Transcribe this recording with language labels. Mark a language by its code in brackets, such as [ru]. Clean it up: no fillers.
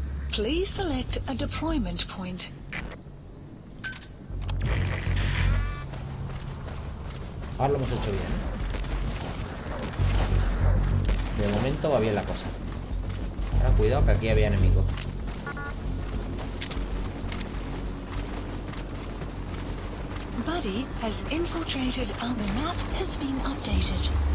[en] Please select a deployment point. [es] Ahora lo hemos hecho bien. De momento va bien la cosa. Ahora cuidado que aquí había enemigos. [en] Buddy has infiltrated and the map has been updated.